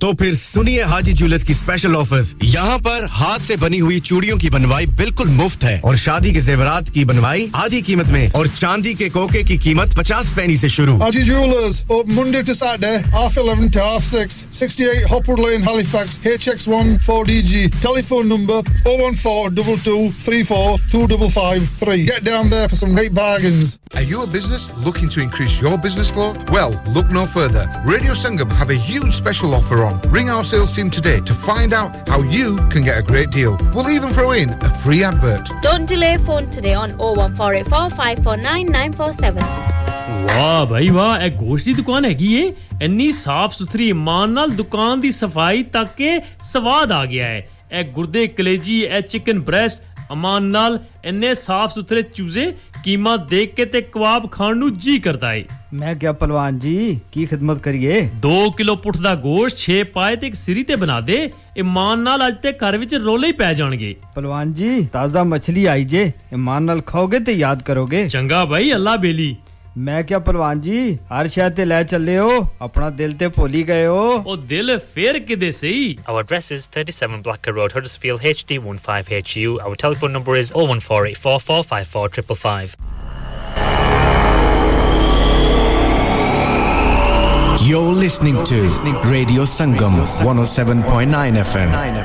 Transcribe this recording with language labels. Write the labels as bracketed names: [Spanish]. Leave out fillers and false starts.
[Hindi] तो फिर सुनिए हाजी जूलर्स की स्पेशल ऑफर्स. यहां पर हाथ से बनी हुई चूड़ियों की बनवाई बिल्कुल मुफ्त है और शादी के जेवरात की बनवाई आधी कीमत में और चांदी के कोके की कीमत 50 पैसे से शुरू. [English] Haji jewellers, Monday to Saturday, half 11 to half 6, 68 Hopwood lane, Halifax, HX14DG. Telephone number 01422342553. Get down there for some great bargains. Are you a business looking to increase your business flow? Well, look no further. Radio Sangam have a huge special offer on. Ring our sales team today to find out how you can get a great deal. We'll even throw in a free advert. Don't delay, phone today on 01484549947. [Punjabi] Wow, bhai wow, ek goshti dukaan hai ki ye. Inni saaf suthri imaan naal dukaan di safai tak ke swaad aa gaya hai. ਐ ਗੁਰਦੇ ਕਲੇਜੀ, ਐ chicken breast, ਅਮਾਨ ਨਾਲ ਇੰਨੇ ਸਾਫ਼ ਸੁਥਰੇ ਚੂਜ਼ੇ, ਕੀਮਾ ਦੇਖ ਕੇ ਤੇ ਕਬਾਬ ਖਾਣ ਨੂੰ ਜੀ ਕਰਦਾ ਏ। ਮੈਂ ਕਿਹਾ ਪਹਿਲਵਾਨ ਜੀ, ਕੀ ਖਿਦਮਤ ਕਰੀਏ? 2 ਕਿਲੋ ਪੁੱਠ ਦਾ ਗੋਸ਼ਤ, 6 ਪਾਏ ਤੇ ਇੱਕ ਸਿਰੀ ਤੇ ਬਣਾ ਦੇ, ਇਮਾਨ ਨਾਲ ਅੱਜ ਤੇ ਘਰ ਵਿੱਚ ਰੋਲੇ ਹੀ ਪੈ ਜਾਣਗੇ। ਪਹਿਲਵਾਨ ਜੀ, ਤਾਜ਼ਾ ਮੱਛਲੀ ਆਈ ਜੇ, ਇਮਾਨ ਨਾਲ ਖਾਓਗੇ ਤੇ ਯਾਦ ਕਰੋਗੇ। ਚੰਗਾ ਬਾਈ, ਅੱਲਾ ਬੇਲੀ। ਮੈਂ ਕਿਹਾ ਪਹਿਲਵਾਨ ਜੀ, ਹਰ ਸ਼ਹਿਰ ਤੇ ਲੈ ਚੱਲੇ ਹੋ, ਆਪਣਾ ਦਿਲ ਤੇ ਭੁੱਲ ਹੀ ਗਏ ਹੋ? ਉਹ ਦਿਲ ਫੇਰ ਕਿਦੇ ਸਹੀ? [English] Our address is 37 Blacker Road, Huddersfield, HD15HU. Our telephone number is 01484-454-555. You're listening to Radio Sangam 107.9 FM.